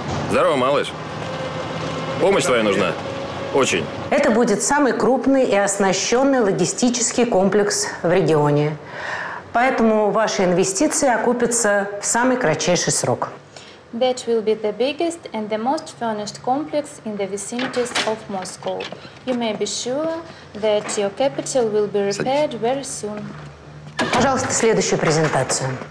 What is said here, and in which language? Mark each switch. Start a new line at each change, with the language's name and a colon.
Russian: Здорово, малыш. Помощь твоя нужна. Очень. Это будет самый крупный и оснащенный логистический комплекс в регионе. Поэтому ваши инвестиции окупятся в самый кратчайший срок.
English: That will be the biggest and the most furnished complex in the vicinity of Moscow. You may be sure that your capital will be repaired very soon.
Russian: Пожалуйста, следующую презентацию.